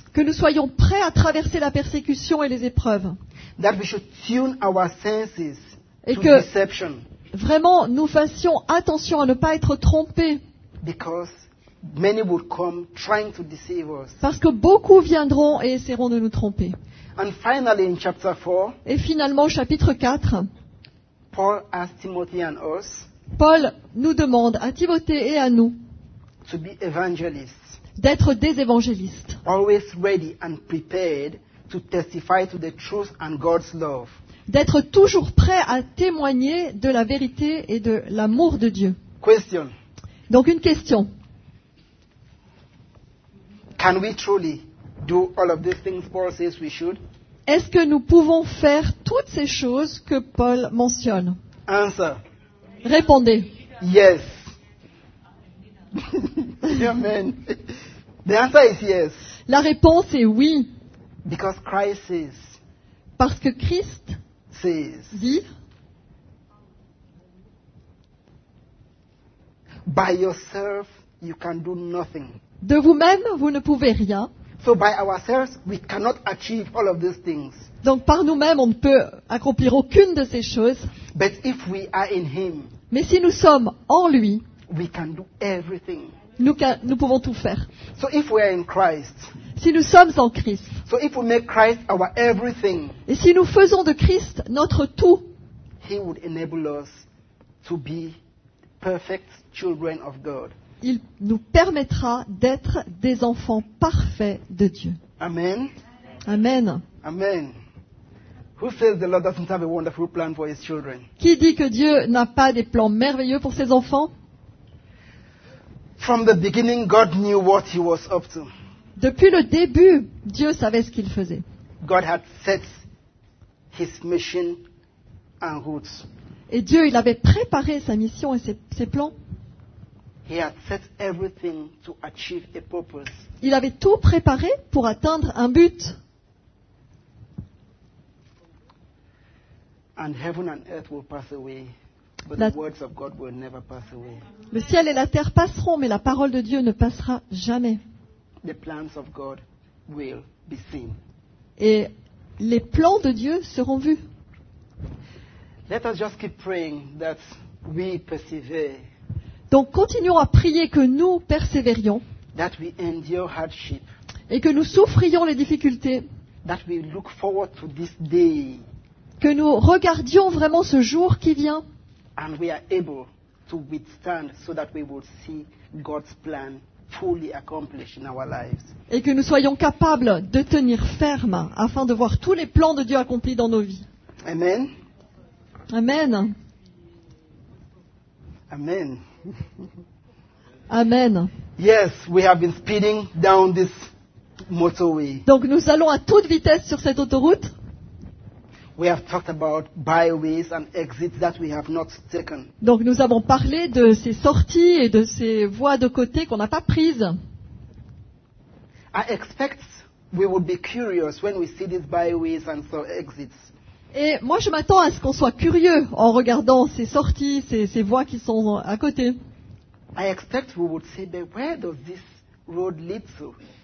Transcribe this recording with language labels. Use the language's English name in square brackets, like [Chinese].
[French] Que nous soyons prêts à traverser la persécution et les épreuves. [English] That we should tune our senses [French] et [English] to [French] que [English] deception. [French] Vraiment nous fassions attention à ne pas être trompés. [English] Because many would come trying to deceive us. [French] Parce que beaucoup viendront et essaieront de nous tromper. [English] And finally in chapter 4, [French] et finalement au chapitre 4, [English] Paul asked Timothy and us, [French] Paul nous demande à Timothée et à nous [English] to be evangelists, [French] d'être des évangélistes. [English] Always ready and prepared to testify to the truth and God's love. [French] D'être toujours prêt à témoigner de la vérité et de l'amour de Dieu. [English] Question. [French] Donc une question. [English] Can we truly do all of these things Paul says we should? [French] Est-ce que nous pouvons faire toutes ces choses que Paul mentionne? [English] Answer. [French] Répondez. [English] Yes. Amen. The answer is yes. [French] La réponse est oui. [English] Because Christ says. [French] Parce que Christ [English] says. [French] Dit. [English] By yourself, you can do nothing. [French] De vous-même, vous ne pouvez rien. [English] So by ourselves, we cannot achieve all of these things. [French] Donc par nous-mêmes, on ne peut accomplir aucune de ces choses. [English] But if we are in him, [French] mais si nous sommes en lui, [English] we can do everything. [French] Nous pouvons tout faire. [English] So if we are in Christ, [French] si nous sommes en Christ, [English] so if we make Christ our everything, [French] et si nous faisons de Christ notre tout, [English] he would enable us to be perfect children of God. [French] Il nous permettra d'être des enfants parfaits de Dieu. [English] Amen. Amen. Amen. Who says the Lord doesn't have a wonderful plan for his children? [French] Qui dit que Dieu n'a pas des plans merveilleux pour ses enfants? [English] From the beginning, God knew what he was up to. [French] Depuis le début, Dieu savait ce qu'il faisait. [English] God had set his mission and routes. [French] Et Dieu, il avait préparé sa mission et ses plans. [English] He had set everything to achieve a purpose. [French] Il avait tout préparé pour atteindre un but. [English] And heaven and earth will pass away, but the words of God will never pass away. [French] Le ciel et la terre passeront, mais la parole de Dieu ne passera jamais. [English] The plans of God will be seen. [French] Et les plans de Dieu seront vus. [English] Let us just keep praying that we persevere. [French] Donc continuons à prier que nous persévérions [English] that we endure hardship, [French] et que nous souffrions les difficultés, [English] that we look forward to this day, [French] que nous regardions vraiment ce jour qui vient [English] and we are able to withstand so that we will see God's plan fully accomplished in our lives, [French] et que nous soyons capables de tenir ferme afin de voir tous les plans de Dieu accomplis dans nos vies. [English] Amen. Amen. Amen. Amen. Yes, we have been speeding down this motorway. [French] Donc nous allons à toute vitesse sur cette autoroute. [English] We have talked about byways and exits that we have not taken. [French] Donc nous avons parlé de ces sorties et de ces voies de côté qu'on n'a pas prises. [English] I expect we will be curious when we see these byways and so exits. [French] Et moi, je m'attends à ce qu'on soit curieux en regardant ces sorties, ces voies qui sont à côté. [English] I expect we would say, but where does this road lead to?